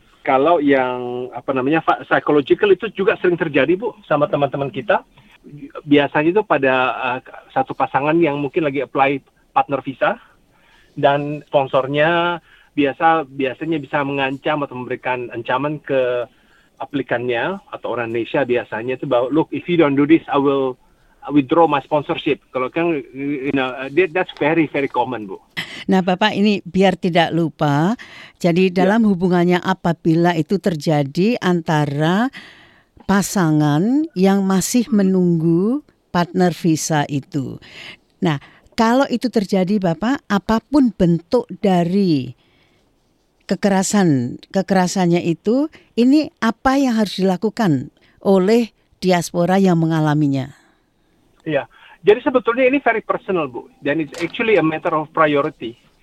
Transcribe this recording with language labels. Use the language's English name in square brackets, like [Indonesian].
[Indonesian] Kalau yang apa namanya psychological itu juga sering terjadi Bu sama teman-teman kita, biasanya itu pada satu pasangan yang mungkin lagi apply partner visa dan sponsornya biasanya bisa mengancam atau memberikan ancaman ke aplikannya atau orang Indonesia biasanya itu bahwa [English] look if you don't do this I will withdraw my sponsorship. [Indonesian] Kalau kan [English] you know that's very very common Bu. [Indonesian] Nah Bapak ini biar tidak lupa, jadi dalam hubungannya apabila itu terjadi antara pasangan yang masih menunggu partner visa itu. Nah kalau itu terjadi Bapak, apapun bentuk dari kekerasannya itu, ini apa yang harus dilakukan oleh diaspora yang mengalaminya? Iya, jadi sebetulnya ini [English] very personal [Indonesian] Bu, dan [English] it's actually a matter of priority.